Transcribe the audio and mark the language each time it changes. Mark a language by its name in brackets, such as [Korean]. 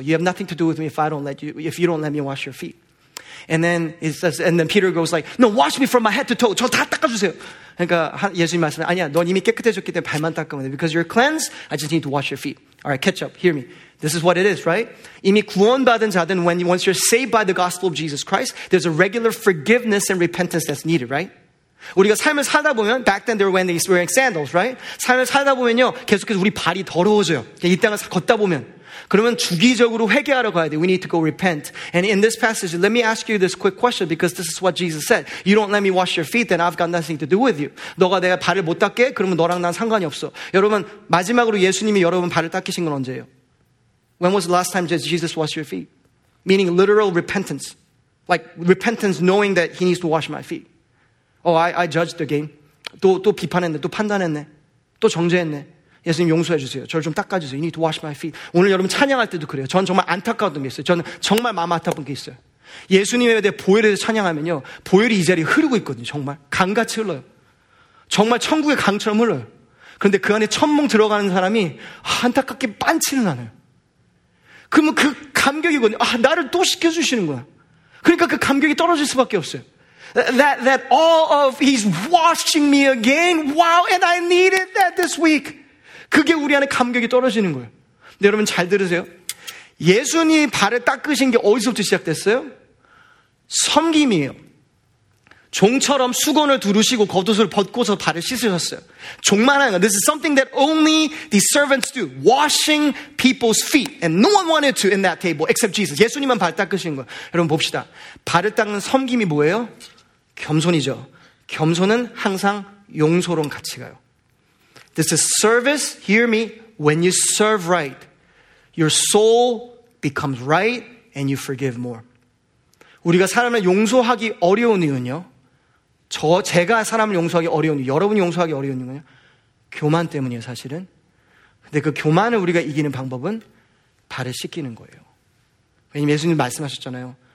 [English] You have nothing to do with me if you don't let me wash your feet. And then it says, and then Peter goes like, no, wash me from my head to toe. [Korean] 저 다 닦아주세요. 그러니까 예수님 말씀하시죠. 아니야, 넌 이미 깨끗해졌기 때문에 발만 닦으면 돼. [English] Because you're cleansed, I just need to wash your feet. All right, catch up. Hear me. This is what it is, right? [Korean] 이미 구원받은 자든 [English] when once you're saved by the gospel of Jesus Christ, there's a regular forgiveness and repentance that's needed, right? [Korean] 우리가 삶을 살다 보면 [English] back then they were wearing sandals, right? [Korean] 삶을 살다 보면요, 계속해서 우리 발이 더러워져요. 이 땅을 걷다 보면 그러면 주기적으로 회개하러 가야 돼. [English] We need to go repent. And in this passage, let me ask you this quick question because this is what Jesus said. You don't let me wash your feet, then I've got nothing to do with you. [Korean] 너가 내가 발을 못 닦게? 그러면 너랑 난 상관이 없어. 여러분 마지막으로 예수님이 여러분 발을 닦이신 건 언제예요? [English] When was the last time Jesus washed your feet? Meaning literal repentance. Like repentance knowing that he needs to wash my feet. Oh, I judged again. [Korean] 또 비판했네. 또 판단했네. 또 정죄했네. 예수님 용서해 주세요. 저를 좀 닦아주세요. [English] You need to wash my feet. [Korean] 오늘 여러분 찬양할 때도 그래요. 저는 정말 안타까운 게 있어요. 저는 정말 마음 아팠던 게 있어요. 예수님에 대해 보혈에 대해 찬양하면요. 보혈이 이 자리에 흐르고 있거든요. 정말. 강같이 흘러요. 정말 천국의 강처럼 흘러요. 그런데 그 안에 천몽 들어가는 사람이 안타깝게 빤치는 않아요. 그러면 그 감격이거든요. 아, 나를 또 시켜주시는 거야. 그러니까 그 감격이 떨어질 수밖에 없어요. [English] That all of he's washing me again. Wow, and I needed that this week. [Korean] 그게 우리 안에 감격이 떨어지는 거예요. 근데 여러분 잘 들으세요. 예수님 발을 닦으신 게 어디서부터 시작됐어요? 섬김이에요. 종처럼 수건을 두르시고 겉옷을 벗고서 발을 씻으셨어요. 종만 하는 거. [English] This is something that only the servants do. Washing people's feet. And no one wanted to in that table except Jesus. [Korean] 예수님만 발 닦으신 거예요. 여러분 봅시다. 발을 닦는 섬김이 뭐예요? 겸손이죠. 겸손은 항상 용서로운 같이 가요. [English] This is service. Hear me. When you serve right, your soul becomes right and you forgive more. [Korean] 우리가 사람을 용서하기 어려운 이유는요. 제가 사람을 용서하기 어려운 이유, 여러분이 용서하기 어려운 이유는요. 교만 때문이에요, 사실은. 근데 그 교만을 우리가 이기는 방법은 발을 씻기는 거예요. 왜냐면 예수님 말씀하셨잖아요.